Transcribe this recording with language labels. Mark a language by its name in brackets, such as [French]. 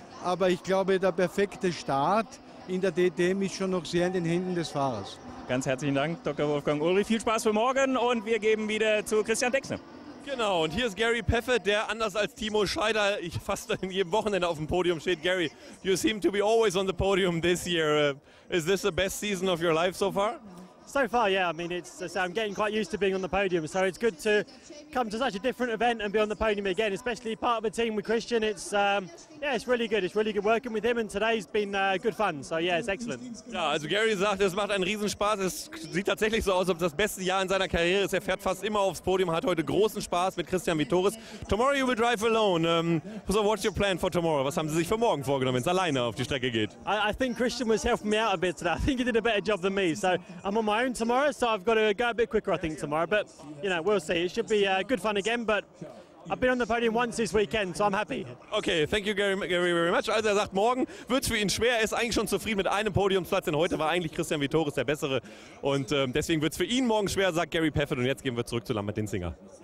[German] Aber ich glaube, der perfekte Start in der DTM ist schon noch sehr in den Händen des Fahrers. Ganz herzlichen Dank, Dr. Wolfgang Ulrich. Viel Spaß für morgen und wir geben wieder zu Christian Dexne. Genau, und hier ist Gary Peffert, der anders als Timo Scheider fast in jedem Wochenende auf dem Podium steht. [English] Gary, you seem to be always on the podium this year. Is this the best season of your life so far? So far, yeah. I mean, I'm getting quite used to being on the podium. So it's good to come to such a different event and be on the podium again, especially part of a team with Christian. It's really good. It's really good working with him and today's been good fun. So yeah, it's excellent. [German] Ja, also Gary sagt, es macht einen Riesenspaß. Es sieht tatsächlich so aus, ob das beste Jahr in seiner Karriere ist. Er fährt fast immer aufs Podium, hat heute großen Spaß mit Christian Vitoris. [English] Tomorrow you will drive alone. So what's your plan for tomorrow? [German] Was haben Sie sich für morgen vorgenommen, wenn es alleine auf die Strecke geht? [English] I think Christian was helping me out a bit today. I think he did a better job than me. So I'm on my own tomorrow, so I've got to go a bit quicker, I think, tomorrow. But, you know, we'll see. It should be good fun again, but I've been on the podium once this weekend, so I'm happy. Okay, thank you, Gary, very much. [German] Also er sagt, morgen wird es für ihn schwer. Er ist eigentlich schon zufrieden mit einem Podiumsplatz, denn heute war eigentlich Christian Vitoris der Bessere. Und deswegen wird es für ihn morgen schwer, sagt Gary Peffert. Und jetzt gehen wir zurück zu Lambert Dinsinger.